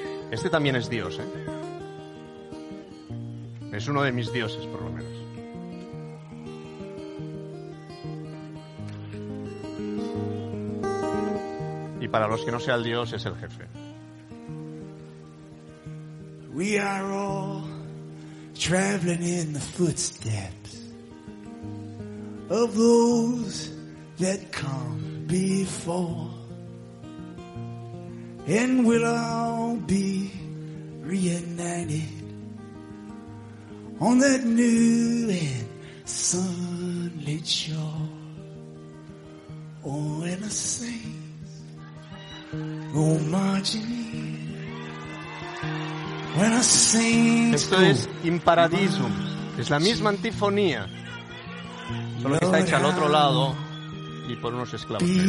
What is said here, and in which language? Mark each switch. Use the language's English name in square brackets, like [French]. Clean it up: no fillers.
[Spanish] Este también es Dios, ¿eh? Es uno de mis dioses, por lo menos. Y para los que no sea el dios, es el jefe. [English] We are all traveling in the footsteps of those that come before, and we'll all be reunited on that new and sunlit shore. Oh, and the saints go marching in. [Spanish] Esto es Imparadisum. Es la misma antifonía, solo que está hecha al otro lado y por unos esclavos.